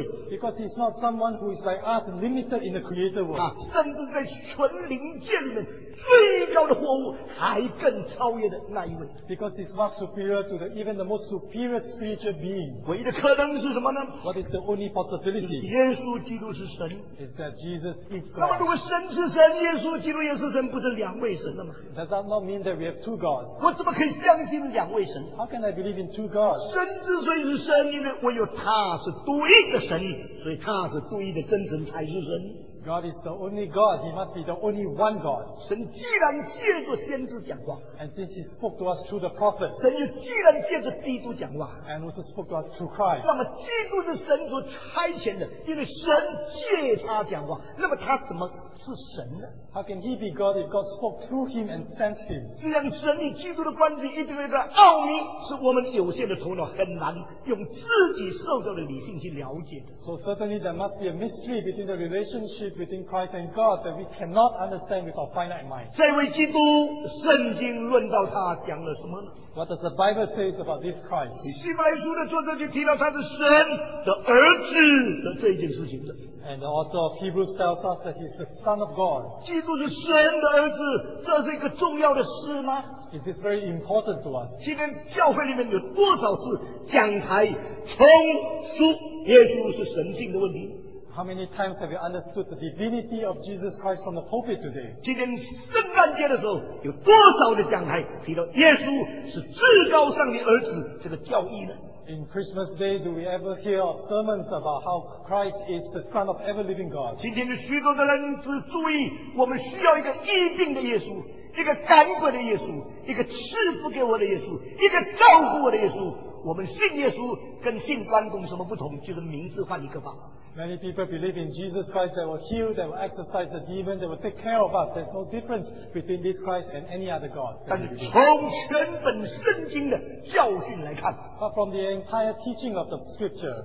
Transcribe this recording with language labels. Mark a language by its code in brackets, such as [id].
[en] Because he's not someone who is like us, limited in the created world. [zh] 甚至在全灵界里面最高的活物还更超越的那一位。 [en] Because he's much superior to the, even the most superior spiritual being. [zh] 唯一的可能是什么呢？ [en] What is the only possibility? [zh] 耶稣基督是神。 [en] Is that Jesus is God. [zh] 那么如果神是神，耶稣基督也是神，不是两位神了吗？ [en] Does that not mean that we have two gods? [zh] 我怎么可以相信两位神？ [en] How can I believe in two gods? [zh] 神之所以是神，因为唯有他是独一的神，所以他是独一的真神才是神。 [en] God is the only God. He must be the only one God. [zh] 神既然借着先知讲话， [en] and since He spoke to us through the prophet, [zh] 神又既然借着基督讲话， [en] and also spoke to us through Christ, [zh] 那么基督是神所差遣的，因为神借他讲话，那么他怎么是神呢？ [en] How can he be God if God spoke through him and sent him? [zh] 这样神与基督的关系意味着奥秘是我们有限的头脑很难用自己受造的理性去了解的。 [en] So certainly there must be a mystery between the relationship between Christ and God that we cannot understand with our finite mind. [zh] 这位基督，圣经论到他讲了什么呢？ [en] What does the Bible say about this Christ? [zh] 希伯来书的作者就提到他是神的儿子的这件事情的。 [en] And the author of Hebrews tells us that he is the Son of God. [zh] 基督是神的儿子，这是一个重要的事吗？ [en] Is this very important to us? [zh] 今天教会里面有多少次讲台充斥耶稣是神性的问题？ [en] How many times have you understood the divinity of Jesus Christ from the pulpit today? [zh] 今天圣诞节的时候，有多少的讲台提到耶稣是至高上帝儿子这个教义呢？ [en] In Christmas Day, do we ever hear of sermons about how Christ is the Son of ever living God? [zh] 今天的许多的人只注意，我们需要一个医病的耶稣，一个赶鬼的耶稣，一个赐福给我的耶稣，一个照顾我的耶稣。我们信耶稣跟信关公什么不同？就是名字换一个吧。 [en] Many people believe in Jesus Christ that will heal, that will exorcise the demon, that will take care of us. There's no difference between this Christ and any other gods. [zh] 但从全本圣经的教训来看， [en] but from the entire teaching of the scripture,